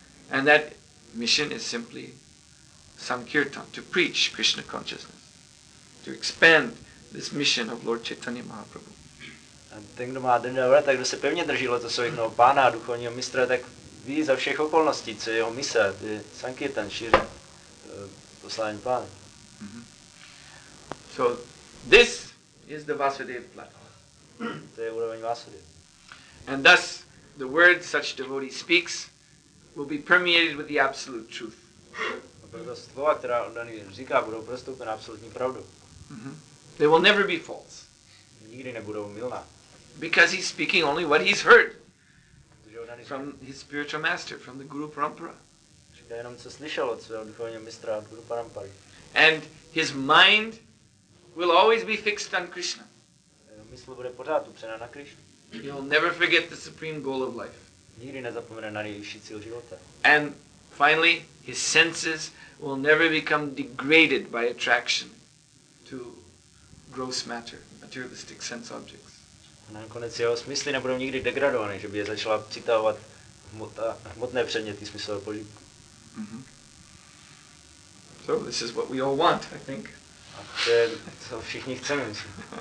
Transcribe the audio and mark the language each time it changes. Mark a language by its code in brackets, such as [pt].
[en] And that mission is simply sankirtan, to preach Krishna consciousness, to expand this mission of Lord Chaitanya Mahaprabhu. [cs] A ten, kdo má Dandavrata, tak kdo se pevně drží lotosového pána a duchovního mistra, tak ví za všech okolností, co je jeho mise, je sankirtan, šíří poslání pána. [en] So this is the Vasudeva platform. [cs] To je úroveň Vasudeva. [en] And thus the word such devotee speaks will be permeated with the absolute truth. [cs] A proto slova, která oddaný říká, budou prostoupena absolutní pravdu. [en] They will never be false. [cs] Nikdy nebudou mylná. [en] Because he's speaking only what he's heard from his spiritual master, from the Guru Parampara. [cs] Říká jenom, co slyšel od svého duchovního mistra, od Guru Parampary. [en] And his mind will always be fixed on Krishna. [cs] Mysl bude pořád upřená na Krishnu. [en] He'll never forget the supreme goal of life. [cs] Nikdy nezapomene na nejvyšší cíl života. [en] And finally, his senses will never become degraded by attraction to gross matter, materialistic sense objects. [cs] A nakonec jeho smysly nebudou nikdy degradovány, že by je začala přitahovat hmotné předměty smyslového požitku. [en] So this is what we all want, I think. [cs] A to je, co všichni chceme, myslím.